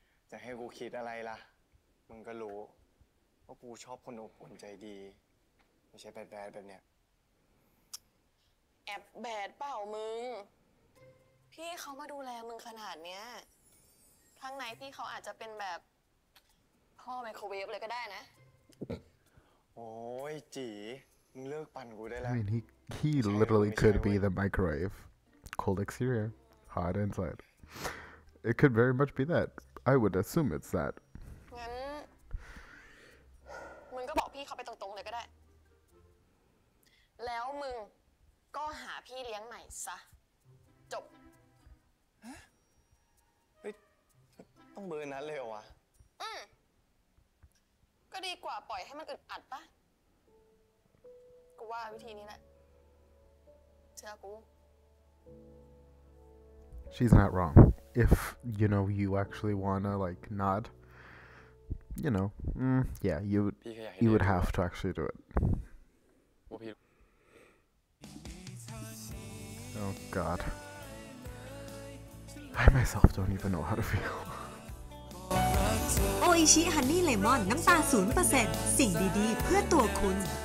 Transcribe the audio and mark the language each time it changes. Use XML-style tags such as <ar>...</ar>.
<th>จะให้กูคิดอะไรล่ะมึงก็รู้ว่ากูชอบคนอบอุ่นใจดีไม่ใช่แบดแบดแบบเนี้ย แอบแบดเปล่ามึงพี่เขามาดูแลมึงขนาดเนี้ยข้างในพี่เขาอาจจะเป็นแบบพ่อไมโครเวฟเลยก็ได้นะ โอ้ยจีมึงเลิกปั่นกูได้แล้ว</th> <en>I mean he literally could be the microwaveCold exterior, hot inside. It could very much be that. I would assume it's that. Then, you just tell him to go straight to him. And you go find him a new brother. It's over. Huh? You have to be that fast? Yeah. It's better to let him get tired, right? I think this is the way. Trust me. She's not wrong. If, you know, you actually wanna, like, not, you know, yeah, you would have to actually do it. Oh, God. I myself don't even know how to feel.</en> <th>Oishi Honey Lemon, น้ำตา 0%, สิ่งดีๆเพื่อตัวคุณ</th>